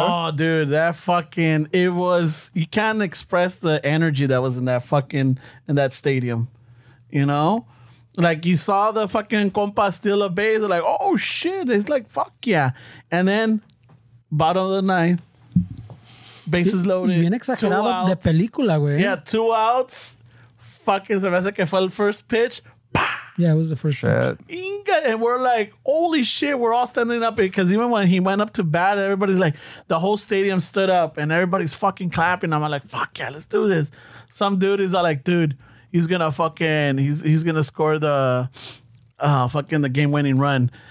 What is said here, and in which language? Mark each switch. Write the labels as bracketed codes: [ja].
[en] Oh, dude, that fucking, it was, you can't express the energy that was in that fucking, in that stadium, you know? Like, you saw the fucking compa steal a base. Like, oh, shit. It's like, fuck yeah. And then, bottom of the ninth, bases loaded. [es] Bien exagerado de película, güey. [en] Yeah, two outs. [es] Fucking se me hace que fue el [en] first pitch. Yeah, it was the first pitch. Inga, and we're like, holy shit. We're all standing up. Because even when he went up to bat, everybody's like, the whole stadium stood up. And everybody's fucking clapping. I'm like, fuck yeah, let's do this. Some dude is like, dude. He's gonna fucking he's gonna score the game winning run.